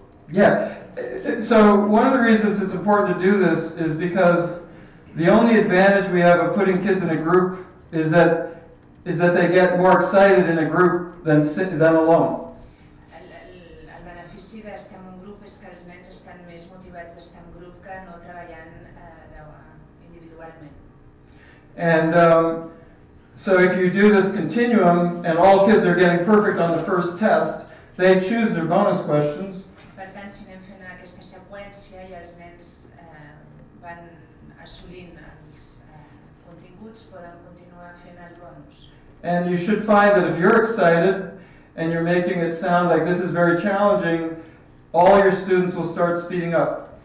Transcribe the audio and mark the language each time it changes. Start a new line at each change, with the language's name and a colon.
English: Yeah, so one of the reasons it's important to do this is because the only advantage we have of putting kids in a group is that they get more excited in a group than alone.
Catalan: El benefici d'estar en un grup és que els nens estan més motivats d'estar en grup que no treballant individualment.
English: And so if you do this continuum and all kids are getting perfect on the first test, they choose their bonus questions.
Catalan: Per tant, si anem fent aquesta seqüència i els nens van assolint els continguts, poden continuar fent el bonus.
English: And you should find that if you're excited and you're making it sound like this is very challenging, all your students will start speeding up.